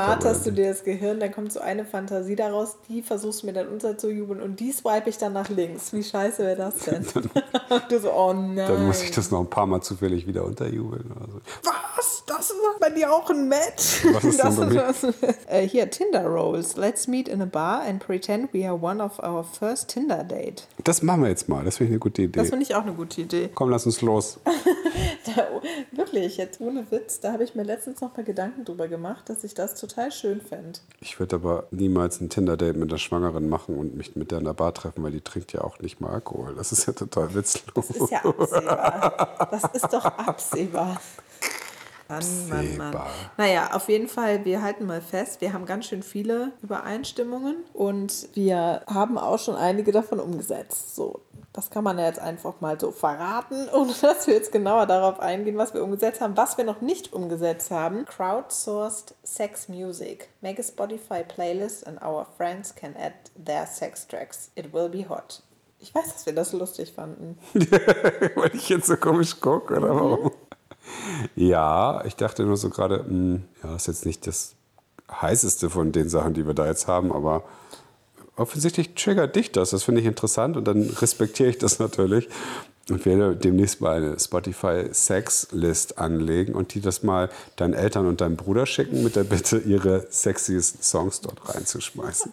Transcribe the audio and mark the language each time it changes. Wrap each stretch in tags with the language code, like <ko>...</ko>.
<de>Zermarterst du dir das Gehirn, dann kommt so eine Fantasie daraus, die versuchst du mir dann unterzujubeln und die swipe ich dann nach links. Wie scheiße wäre das denn? Du so, oh nein. Dann muss ich das noch ein paar Mal zufällig wieder unterjubeln. Oder so. Was? Das ist bei dir auch ein Match? Was ist denn bei mir? Hier, Tinder Rolls.</de> <en>Let's meet in a bar and pretend we are one of our first Tinder date.</en> <de>Das machen wir jetzt mal. Das finde ich eine gute Idee. Das finde ich auch eine gute Idee. Komm, lass uns los. Wirklich, jetzt ohne Witz, da habe ich mir letztens noch mal Gedanken drüber gemacht, dass ich das total schön fände. Ich würde aber niemals ein Tinder-Date mit einer Schwangeren machen und mich mit der in der Bar treffen, weil die trinkt ja auch nicht mal Alkohol. Das ist ja total witzlos. Das ist ja absehbar. Das ist doch absehbar. Mann. Naja, auf jeden Fall, wir halten mal fest, wir haben ganz schön viele Übereinstimmungen und wir haben auch schon einige davon umgesetzt. So, das kann man ja jetzt einfach mal so verraten, ohne dass wir jetzt genauer darauf eingehen, was wir umgesetzt haben. Was wir noch nicht umgesetzt haben,</de> <en>crowdsourced sex music. Make a Spotify playlist and our friends can add their sex tracks. It will be hot.</en> <de>Ich weiß, dass wir das lustig fanden. Weil ich jetzt so komisch gucke, oder warum? Ja, ich dachte nur so gerade, ja, das ist jetzt nicht das Heißeste von den Sachen, die wir da jetzt haben, aber offensichtlich triggert dich das. Das finde ich interessant und dann respektiere ich das natürlich und werde demnächst mal eine Spotify-Sex-List anlegen und die das mal deinen Eltern und deinem Bruder schicken mit der Bitte, ihre sexiesten Songs dort reinzuschmeißen.</de>